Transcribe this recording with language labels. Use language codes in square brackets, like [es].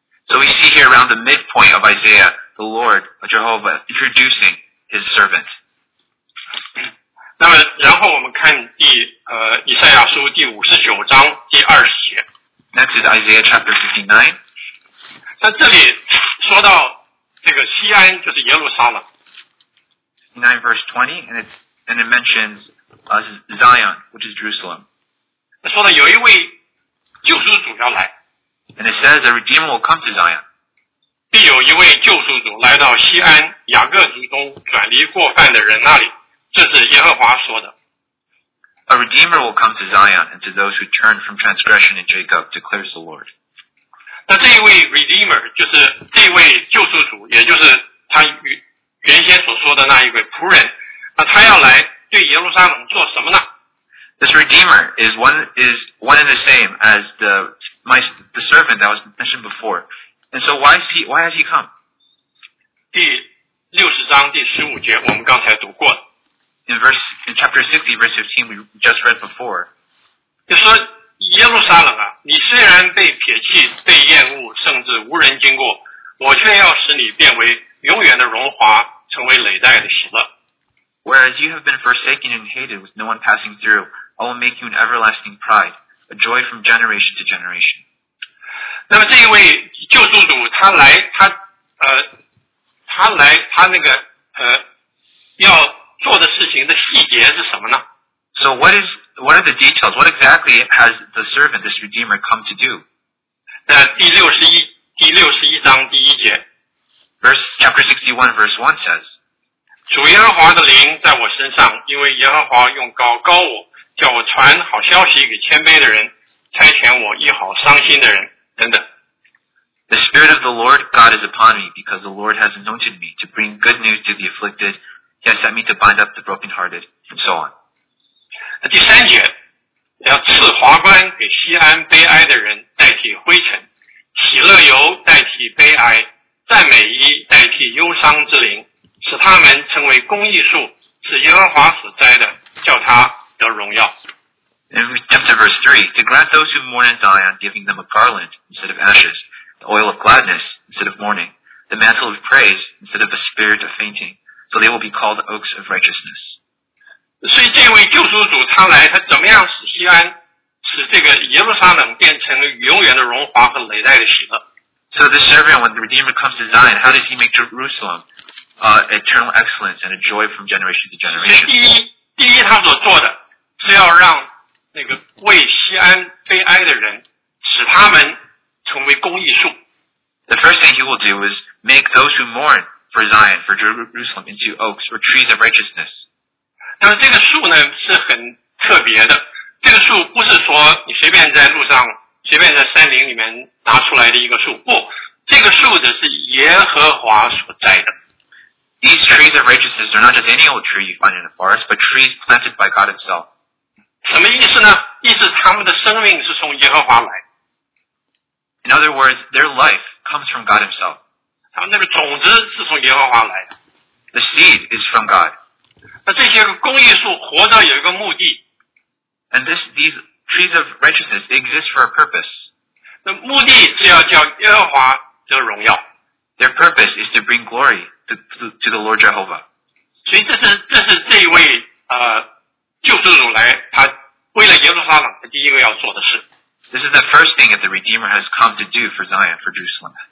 [en] So we see here around the midpoint of Isaiah, the Lord, Jehovah, introducing his servant. [zh] 那么然后我们看以赛亚书第59章第二十节。 [en] Next is Isaiah chapter 59. [zh] 在这里说到这个西安就是耶路撒冷。 [en] 9 verse 20, and it mentions, Zion, which is Jerusalem. [zh] 说到有一位救赎主要来。 [en] And it says a redeemer will come to Zion. [zh] 必有一位救赎主来到西安雅各族中转离过犯的人那里。这是耶和华说的。 [en] A redeemer will come to Zion and to those who turn from transgression in Jacob, declares the Lord. [zh] 那这一位 redeemer, 就是这位救赎主也就是他原先所说的那一位仆人。那他要来对耶路撒冷做什么呢？ [en] This redeemer is one and the same as the servant that was mentioned before. And so why has he come? [zh] 第60章第15节我们刚才读过。 [en] In chapter 60 verse 15 we just read before. [zh] 就说耶路撒冷啊，你虽然被撇弃被厌恶甚至无人经过，我却要使你变为永远的荣华，成为累代的喜乐。 [en] Whereas you have been forsaken and hated with no one passing through,I will make you an everlasting pride, a joy from generation to generation. [zh] 那么这一位救赎主他来他来他那个要做的事情的细节是什么呢？ [en] So what are the details? What exactly has the servant, this redeemer, come to do? [zh] 第61节第六十一章第一节 [en] verse, Chapter 61 verse 1 says, [zh] 主耶和华的灵在我身上，因为耶和华用膏膏我，叫我传好消息给谦卑的人，差遣我医好伤心的人，等等。 [en] The Spirit of the Lord God is upon me, because the Lord has anointed me to bring good news to the afflicted. He has sent me to bind up the brokenhearted, and so on. [zh] 第三节，要赐华冠给锡安悲哀的人，代替灰尘，喜乐油代替悲哀，赞美衣代替忧伤之灵，使他们成为公义树，是耶和华所栽的，叫他得荣耀。 [en] In chapter verse 3, to grant those who mourn in Zion, giving them a garland instead of ashes, the oil of gladness instead of mourning, the mantle of praise instead of a spirit of fainting, so they will be called oaks of righteousness. [zh] 所以这位救赎主他来，他怎么样使锡安，使这个耶路撒冷变成永远的荣华和累代的喜乐？ [en] So the servant, when the Redeemer comes to Zion, how does he make Jerusalem eternal excellence and a joy from generation to generation? [zh] 第一他所做的是要让那个为锡安悲哀的人，使他们成为公义树。 [en] The first thing he will do is make those who mourn for Zion, for Jerusalem, into oaks or trees of righteousness. [zh] 但是这个树呢是很特别的，这个树不是说你随便在路上、随便在山林里面拿出来的一个树，不，这个树的是耶和华所栽的。 [en] These trees of righteousness are not just any old tree you find in the forest, but trees planted by God Himself. [zh] 什么意思呢？意思他们的生命是从耶和华来。 [en] In other words, their life comes from God Himself. [zh] 他们那个种子是从耶和华来的。 [en] The seed is from God. [zh] 那这些公义树活着有一个目的。 [en] And these trees of righteousness exist for a purpose. [zh] 那目的是要叫耶和华得荣耀。 [en] Their purpose is to bring glory to the Lord Jehovah. [zh] 所以这是这一位救世主来，他为了耶路撒冷，他第一个要做的事。 [en] This is the first thing that the Redeemer has come to do for Zion, for Jerusalem.